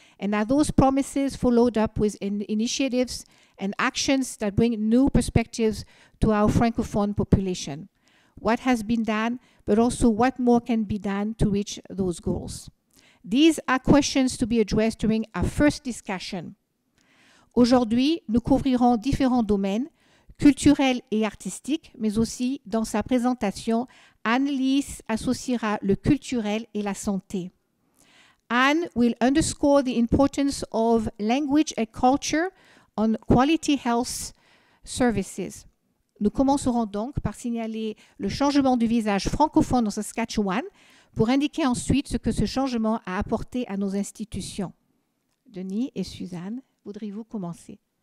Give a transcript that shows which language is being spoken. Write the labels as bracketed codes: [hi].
[en] And are those promises followed up with initiatives and actions that bring new perspectives to our Francophone population? What has been done, but also what more can be done to reach those goals? These are questions to be addressed during our first discussion. [fr] Aujourd'hui, nous couvrirons différents domaines, culturels et artistiques, mais aussi dans sa présentation, Anne-Lys associera le culturel et la santé. [en] Anne will underscore the importance of language and culture on quality health services. [fr] Nous commencerons donc par signaler le changement du visage francophone dans Saskatchewan pour indiquer ensuite ce que ce changement a apporté à nos institutions. Denis et Suzanne, voudriez-vous commencer?